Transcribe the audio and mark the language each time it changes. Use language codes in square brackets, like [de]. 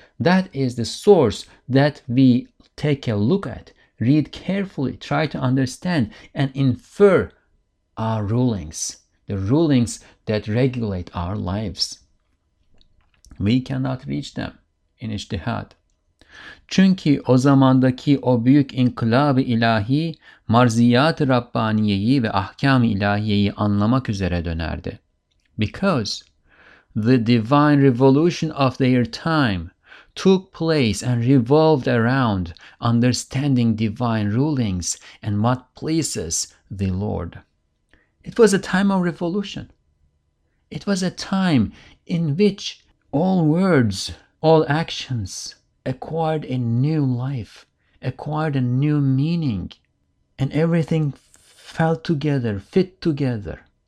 [en] That is the source that we take a look at, read carefully, try to understand and infer our rulings, the rulings that regulate our lives. We cannot reach them in ijtihad. [tr] Çünkü o zamandaki o büyük inkılab-ı ilahi, marziyat-ı Rabbaniyeyi ve ahkam-ı ilahiyeyi anlamak üzere dönerdi. [en] Because the divine revolution of their time took place and revolved around understanding divine rulings and what pleases the Lord. It was a time of revolution. It was a time in which all words, all actions acquired a new life, acquired a new meaning, and everything fell together, fit together.